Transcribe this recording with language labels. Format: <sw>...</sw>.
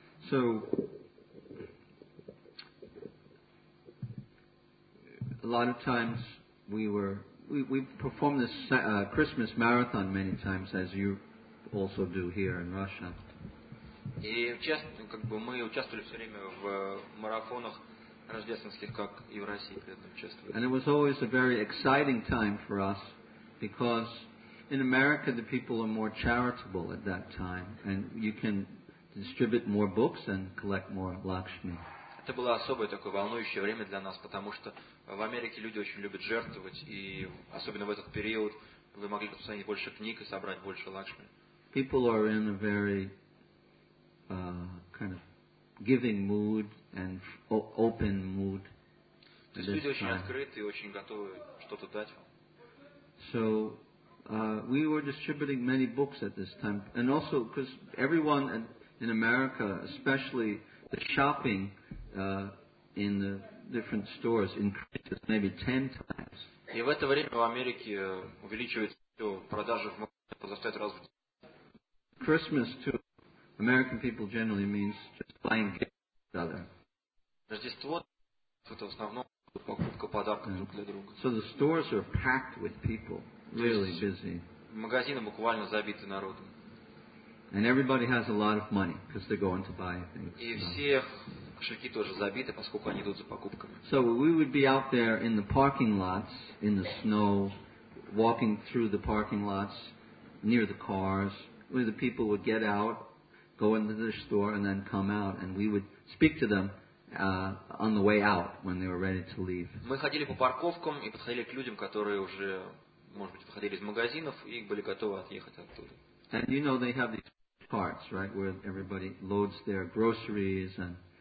<en>So, a lot of times we performed this Christmas marathon many times, as you also do here in Russia.</en> <ru>И часто, мы участвовали все время в марафонах рождественских, как и в России при этом участвовали.</ru> <en>And it was always a very exciting time for us, because in America the people are more charitable at that time, and you can distribute more books and collect more Lakshmi.</en> <ru>Это было особое такое волнующее время для нас, потому что в Америке люди очень любят жертвовать, и особенно в этот период вы могли посмотреть больше книг и собрать больше лакшми.</ru> <en>People are in a very kind of giving mood and open mood.</en> <ru>То есть люди очень открыты и очень готовы что-то дать вам.</ru> <en>So we were distributing many books at this time, and also because everyone in America, especially the shopping in the different stores increases maybe 10 times.</en> <ru>И в это время в Америке увеличивается продажи в магазинах за 5 раз в день.</ru> <en>Christmas to American people generally means just buying gifts together.</en> <ru>Рождество это в основном покупка подарков друг для друга.</ru> <en>So the stores are packed with people, really busy.</en> <ru>Магазины буквально забиты народом.</ru> <en>And everybody has a lot of money because they're going to buy things.</en> <ru>И всех кошельки тоже забиты, поскольку они идут за покупками.</ru> <en>So we would be out there in the parking lots in the snow, walking through the parking lots near the cars, where the people would get out, go into the store, and then come out, and we would speak to them on the way out when they were ready to leave.</en> <ru>Мы ходили по парковкам и подходили к людям, которые уже, может быть, выходили из магазинов и были готовы отъехать оттуда.</ru> <en>And you know they have these carts, right, where everybody loads their groceries and.</en>